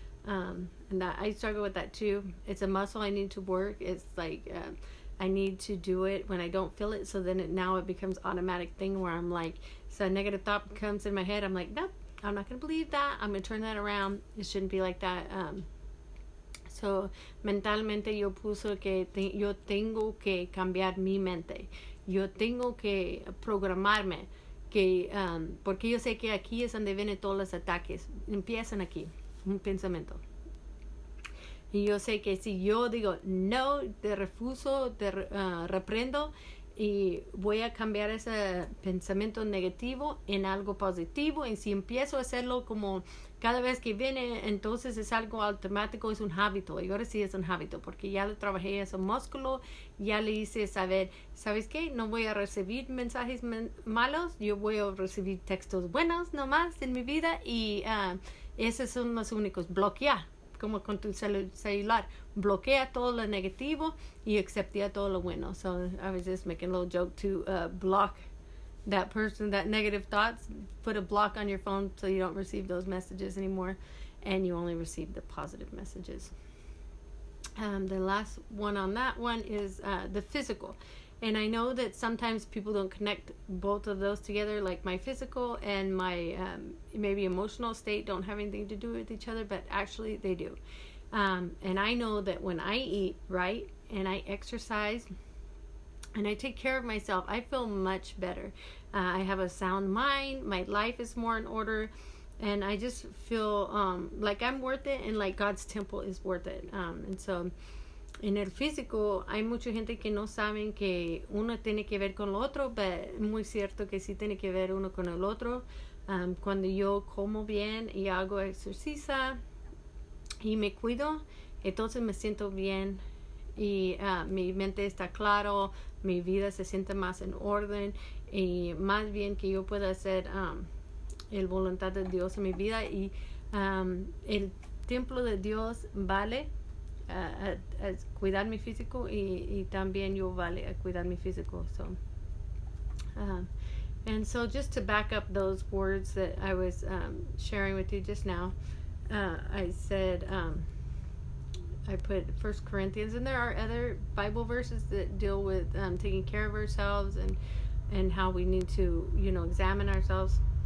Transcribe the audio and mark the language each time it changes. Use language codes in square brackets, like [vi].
[en] And that I struggle with that too. It's a muscle I need to work. It's like... I need to do it when I don't feel it, so then it becomes automatic thing where I'm like, so a negative thought comes in my head, I'm like, nope, I'm not gonna believe that, I'm gonna turn that around, it shouldn't be like that. [es] So mentalmente yo puso que yo tengo que cambiar mi mente, yo tengo que programarme, que porque yo sé que aquí es donde vienen todos los ataques, empiezan aquí, un pensamiento. Y yo sé que si yo digo no, te refuso, te reprendo y voy a cambiar ese pensamiento negativo en algo positivo. Y si empiezo a hacerlo como cada vez que viene, entonces es algo automático, es un hábito. Y ahora sí es un hábito porque ya le trabajé ese músculo, ya le hice saber, ¿sabes qué? No voy a recibir mensajes malos, yo voy a recibir textos buenos nomás en mi vida y esos son los únicos. Bloquear. Como con tu celular, bloquea todo lo negativo y acepta todo lo bueno. [en] So I was just making a little joke to block that person, that negative thoughts, put a block on your phone so you don't receive those messages anymore and you only receive the positive messages. The last one on that one is the physical. And I know that sometimes people don't connect both of those together, like my physical and my maybe emotional state don't have anything to do with each other, but actually they do. And I know that when I eat right and I exercise and I take care of myself, I feel much better. I have a sound mind, my life is more in order, and I just feel like I'm worth it and like God's temple is worth it. And so [es] En el físico hay mucha gente que no saben que uno tiene que ver con el otro, pero muy cierto que sí tiene que ver uno con el otro. Cuando yo como bien y hago ejercicio y me cuido, entonces me siento bien y mi mente está claro, mi vida se siente más en orden y más bien que yo pueda hacer el voluntad de Dios en mi vida y el templo de Dios vale. A cuidar mi físico y también yo vale a cuidar mi físico. [en] So, and so just to back up those words that I was sharing with you just now, I said I put 1 Corinthians, and there are other Bible verses that deal with taking care of ourselves and how we need to, you know, examine ourselves.